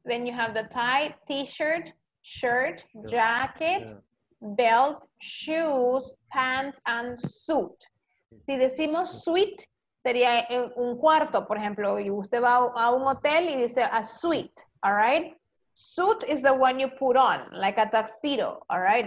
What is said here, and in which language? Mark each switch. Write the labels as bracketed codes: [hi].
[en] Then you have the tie, t-shirt, shirt, jacket, belt, shoes, pants, and suit. [es] Si decimos suite, sería un cuarto, por ejemplo. Usted va a un hotel y dice a suite, [en] all right? Suit is the one you put on, like a tuxedo, all right?